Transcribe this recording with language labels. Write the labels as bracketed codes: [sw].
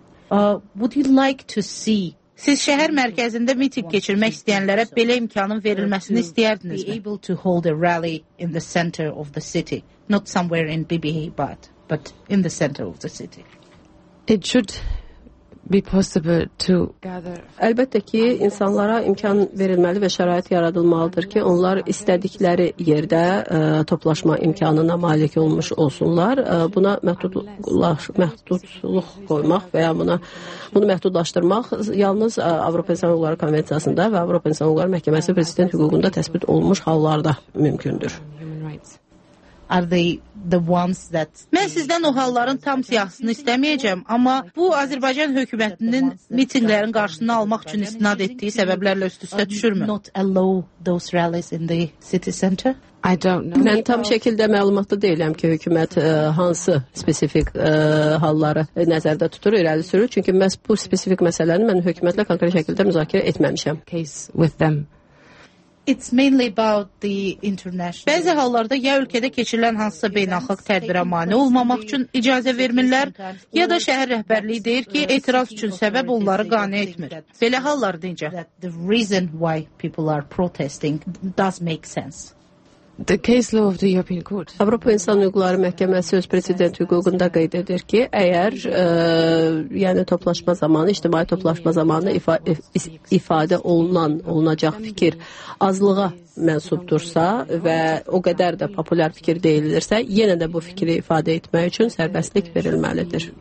[en] Would you like to see [az] Siz şəhər mərkəzində mitinq keçirmək istəyənlərə belə imkanın verilməsini istəyərdiniz mi? [en] Be able to hold a rally in the center of the city, not somewhere in Bibihibad, but in the center of the city. It should be possible to gather. [az] Əlbəttə ki, insanlara imkan verilməli və şərait yaradılmalıdır ki, onlar istədikləri yerdə toplaşma imkanına malik olmuş olsunlar. Buna məhdudluq qoymaq və ya bunu məhdudlaşdırmaq yalnız Avropa İnsan Hüquqları Konvensiyasında və Avropa İnsan Hüquqları Məhkəməsi prezident hüququnda təsbit olunmuş hallarda mümkündür. [en] Are they the ones that [az] Mən sizdən o halların tam siyahısını istəməyəcəm, amma bu Azərbaycan hökumətinin mitinqlərin qarşısını almaq üçün istinad etdiyi səbəblərlə üst-üstə düşürmü? [en] Not allow those rallies in the city center? I don't know. [az] Mən tam şəkildə məlumatlı deyiləm ki, hökumət hansı spesifik halları nəzərdə tutur, irəli sürür, çünki məhz bu spesifik məsələni mən hökumətlə konkret şəkildə müzakirə etməmişəm. [en] Case with them. It's mainly about the international. [az] Bəzi hallarda ya ölkədə keçirilən hansısa beynəlxalq tədbirə mane olmamaq üçün icazə vermirlər, ya da şəhər rəhbərliyi deyir ki, etiraz üçün səbəb onları qane etmir. Belə hallar deyincə. [en] The reason why people are protesting does make sense. The case law of the European Court. [az] Avropa İnsan Hüquqları Məhkəməsi öz prezident hüququnda qeyd edir ki, əgər yəni toplaşma zamanı, ictimai toplaşma zamanı ifadə olunacaq fikir azlığa mənsubdursa və o qədər də populyar fikir deyilirsə, yenə də bu fikri ifadə etmək üçün sərbəstlik verilməlidir.